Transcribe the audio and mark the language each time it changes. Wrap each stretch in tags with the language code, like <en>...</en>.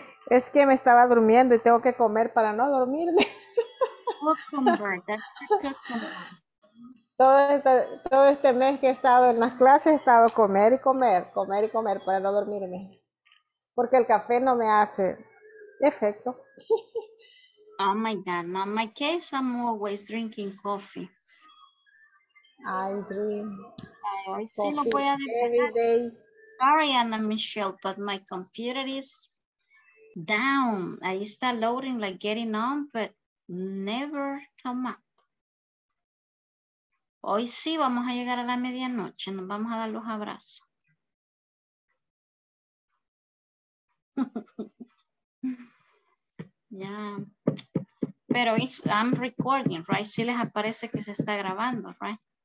<es>Es que me estaba durmiendo y tengo que comer para no dormirme.</es> <en>Cucumber, that's cucumber.</en> <es>Todo este mes que he estado en las clases he estado comer y comer para no dormirme. Porque el café no me hace efecto.</es> <en>Oh my God, not my case, I'm always drinking coffee. I drink coffee every day. Sorry, Ana Michelle, but my computer is down. I start loading, like getting on, but never come up.</en> <es>Hoy sí vamos a llegar a la medianoche. Nos vamos a dar los abrazos.</es> <en>Yeah.</en> <es>Pero</es> <en>I'm recording, right?</en> <es>Sí les aparece que se está grabando,</es> <en>right?</en>